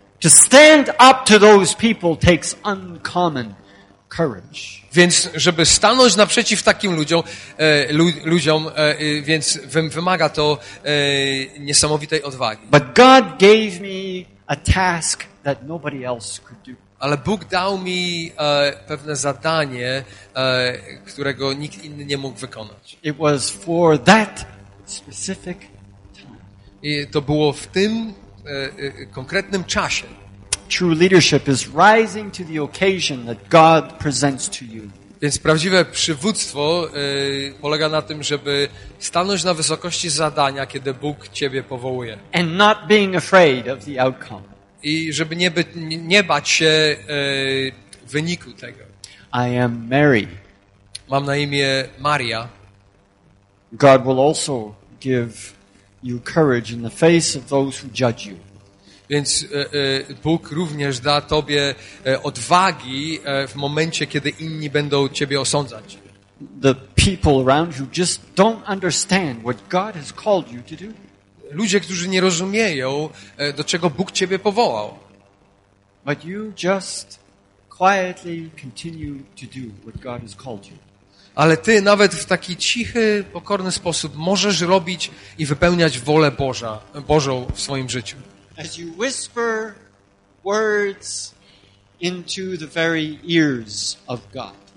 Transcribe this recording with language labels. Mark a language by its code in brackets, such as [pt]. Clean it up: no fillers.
[en] To stand up to those people takes uncommon courage. [pl] Więc żeby stanąć naprzeciw takim ludziom, więc wymaga to niesamowitej odwagi. [en] But God gave me a task that nobody else could do. [pl] Ale Bóg dał mi pewne zadanie, którego nikt inny nie mógł wykonać. [en] It was for that specific time. [pl] I to było w tym konkretnym czasie. [en] True leadership is rising to the occasion that God presents to you. [pl] Więc prawdziwe przywództwo polega na tym, żeby stanąć na wysokości zadania, kiedy Bóg ciebie powołuje. [en] And not being afraid of the outcome. [pl] I żeby nie bać się wyniku tego. [en] I am Mary. [pl] Mam na imię Maria. [en] God will also give you courage in the face of those who judge you. [pl] Więc Bóg również da tobie odwagi w momencie, kiedy inni będą ciebie osądzać. [en] The people around you just don't understand what God has called you to do. [pl] Ludzie, którzy nie rozumieją, do czego Bóg ciebie powołał. [en] But you just quietly continue to do what God has called you. [pl] Ale ty nawet w taki cichy, pokorny sposób możesz robić i wypełniać wolę Bożą w swoim życiu. [en] As you whisper words into the very ears of God.